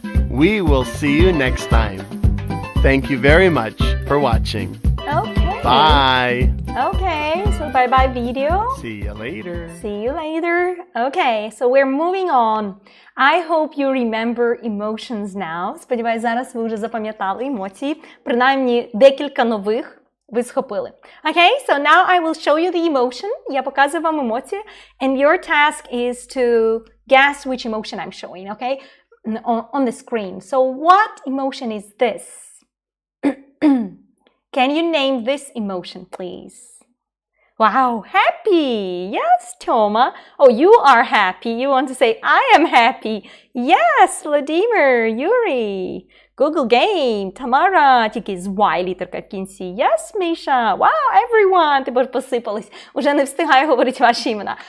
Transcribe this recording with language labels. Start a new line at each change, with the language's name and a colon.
English: We will see you next time. Thank you very much for watching. Okay. Bye. Okay, so bye-bye video. See you later. See you later. Okay, so we're moving on. I hope you remember emotions now.
Ukrainian: Сподіваюсь, зараз ви вже запам'ятали емоції. Принаймні, декілька нових ви схопили.
English: Okay, so now I will show you the emotion.
Ukrainian: Я показую вам емоції.
English: And your task is to guess which emotion I'm showing, okay? On the screen. So what emotion is this? Can you name this emotion, please? Wow, happy! Yes, Toma. Oh, you are happy. You want to say, I am happy. Yes, Vladimir, Yuri.
Ukrainian: Google Game, Тамара, тільки з Y літерка в кінці. Yes, Миша.
English: Wow, everyone.
Ukrainian: Ти бож посипались. Уже не встигаю говорити ваші імена.